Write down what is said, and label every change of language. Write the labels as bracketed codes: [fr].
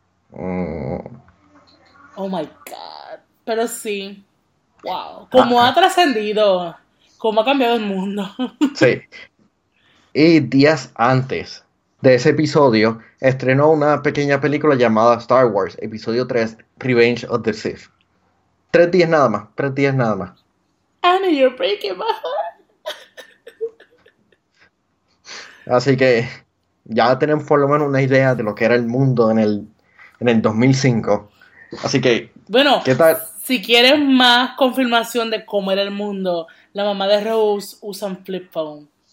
[en] Oh my God, [es] pero sí, wow, cómo ha trascendido, cómo ha cambiado el mundo. Sí. Y días antes de ese episodio, estrenó una pequeña película llamada Star Wars, episodio 3, Revenge of the Sith. 3 días nada más, 3 días nada más. [en] Annie, you're breaking my heart. [es] Así que ya tenemos por lo menos una idea de lo que era el mundo en el 2005. Así que, Bueno, ¿qué tal? si quieres más confirmación de cómo era el mundo, la mamá de Rose usa un flip phone.